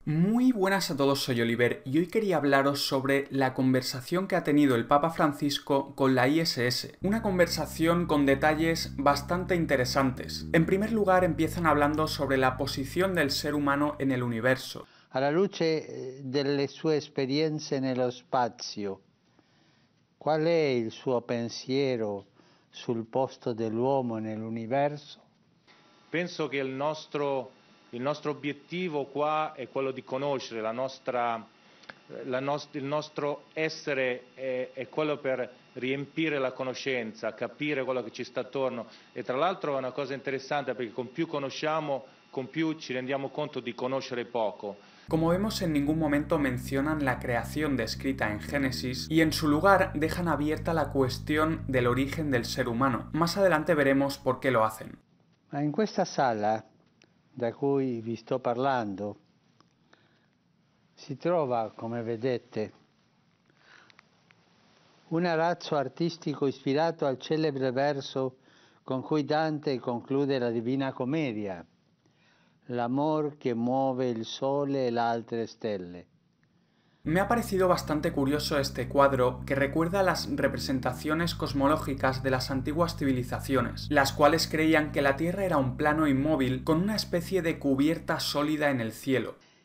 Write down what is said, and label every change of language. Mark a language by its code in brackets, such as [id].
[es] Muy buenas a todos, soy Oliver y hoy quería hablaros sobre la conversación que ha tenido el Papa Francisco con la ISS. Una conversación con detalles bastante interesantes. En primer lugar, empiezan hablando sobre la posición del ser humano en el universo. [it] A la luce delle sue esperienze nello spazio, qual è il suo pensiero sul posto dell'uomo nell'universo? Penso che il nostro obiettivo qua è quello di conoscere il nostro essere è quello per riempire la conoscenza, capire quello che ci sta attorno. E tra l'altro è una cosa interessante perché con più conosciamo, con più ci rendiamo conto di conoscere poco. [es] Como vemos, en ningún momento mencionan la creación descrita en Génesis y en su lugar dejan abierta la cuestión del origen del ser humano. Más adelante veremos por qué lo hacen. [it] Ma in questa sala da cui vi sto parlando si trova, come vedete, un arazzo artistico ispirato al celebre verso con cui Dante conclude la Divina Commedia, l'amor che muove il sole e le altre stelle. [es] Me ha parecido bastante curioso este cuadro que recuerda las representaciones cosmológicas de las antiguas civilizaciones, las cuales creían que la Tierra era un plano inmóvil con una especie de cubierta sólida en el cielo.